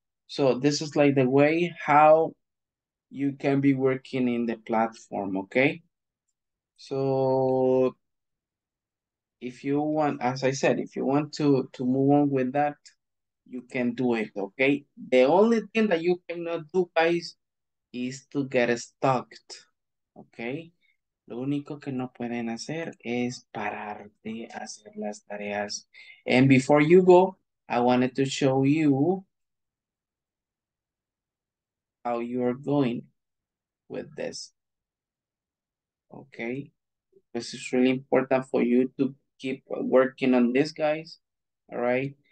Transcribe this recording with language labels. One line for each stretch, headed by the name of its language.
English: So this is like the way how you can be working in the platform, okay? So if you want, as I said, if you want to move on with that, you can do it, okay? The only thing that you cannot do, guys, is to get stuck, okay?
Spanish: Lo único que no pueden hacer es parar de hacer las tareas.
English: And before you go, I wanted to show you how you are going with this, okay? This is really important for you to keep working on this, guys, all right?